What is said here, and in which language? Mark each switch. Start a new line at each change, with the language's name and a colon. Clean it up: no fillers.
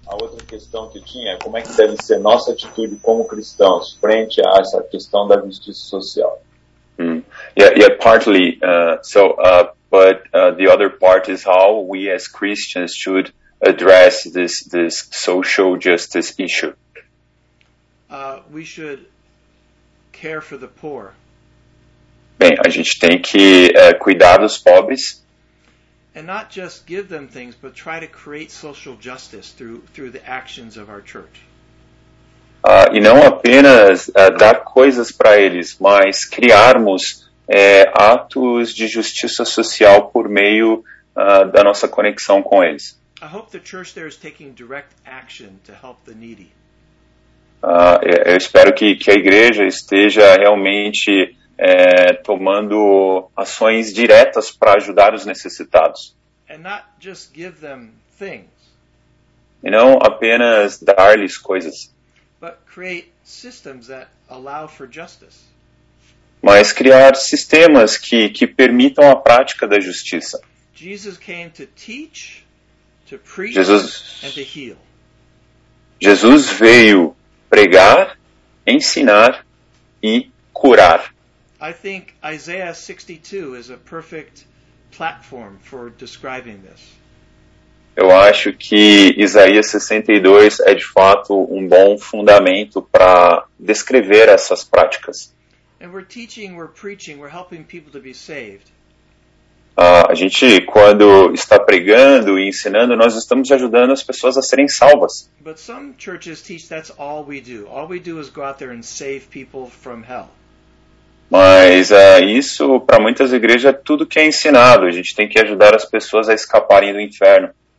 Portuguese: A outra questão que tinha é como é que deve ser nossa atitude como cristãos frente a essa questão da justiça social.
English: Yeah, partly. But the other part is how we as Christians should address this social justice issue. We should care for the poor.
Portuguese: Bem, a gente tem que cuidar dos pobres.
English: And not just give them things, but try to create social justice through the actions of our church.
Portuguese: E não apenas dar coisas para eles, mas criarmos atos de justiça social por meio da nossa conexão com eles.
English: I hope the church there is taking direct action to help the needy.
Portuguese: Eu espero que a igreja esteja realmente tomando ações diretas para ajudar os necessitados.
English: And not just give them things.
Portuguese: E não apenas dar-lhes coisas.
English: But create systems that allow for justice.
Portuguese: Mas criar sistemas que permitam a prática da justiça.
English: Jesus came to teach, to preach, Jesus, and to heal.
Portuguese: Jesus veio pregar, ensinar e curar.
English: I think Isaiah 62 is a perfect platform for describing this.
Portuguese: Eu acho que Isaías 62 é de fato um bom fundamento para descrever essas práticas.
English: And we're teaching, we're preaching, we're helping people to be saved.
Portuguese: A gente, quando está pregando e ensinando, nós estamos ajudando as pessoas a serem salvas.
English: But some churches teach that's all we do. All we do is go out there and save people from hell.
Portuguese: Mas isso, para muitas igrejas, é tudo que é ensinado. A gente tem que ajudar as pessoas a escaparem do inferno.